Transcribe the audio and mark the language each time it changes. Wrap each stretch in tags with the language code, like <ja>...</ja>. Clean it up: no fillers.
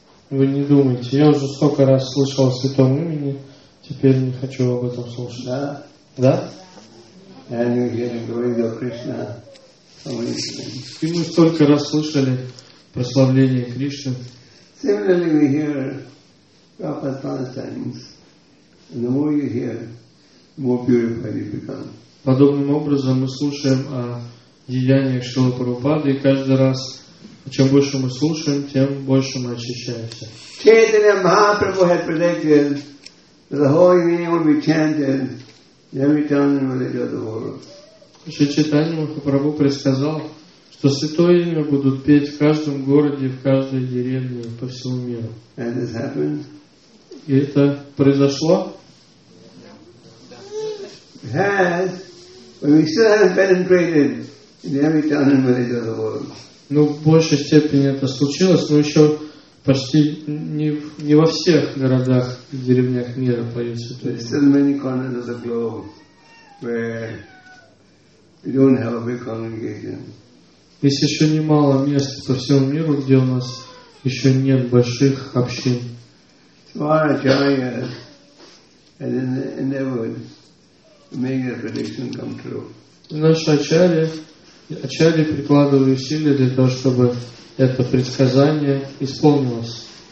<ru>Вы не думайте, я уже столько раз слышал о святом имени, теперь не хочу об этом слушать. Да? Да?</ru> <en>And you hear the glories of Krishna.</en> <ru>И мы столько раз слышали прославление Кришны.</ru> <en>Similarly, we hear Prabhupada's pastimes. And the more you hear, the more beautiful you become.</en> <ru>Подобным образом мы слушаем о деяниях Шрилы Прабхупады, и каждый раз, чем больше мы слушаем, тем больше мы очищаемся.</ru> <en>Chaitanya Mahaprabhu had predicted that the holy name will be chanted in every town and village of the world.</en> <ru>Chaitanya Mahaprabhu предсказал, что святое имя будут петь в каждом городе, в каждой деревне по всему миру.</ru> <en>And this happened?</en> <ru>И это произошло?</ru> <en>It has, but we still haven't penetrated in every town and village of the world.</en> <ru>Ну, в большей степени это случилось, но еще почти не во всех городах и деревнях мира поют святое имя.</ru> <en>There's still many corners of the globe where we don't have a big congregation.</en> <ru>Есть еще немало мест по всему миру, где у нас еще нет больших общин.</ru> <en>Swaracharya has endeavored to make that prediction come true.</en> <ru>Наши ачарьи прикладывали усилия для того, чтобы это предсказание исполнилось.</ru>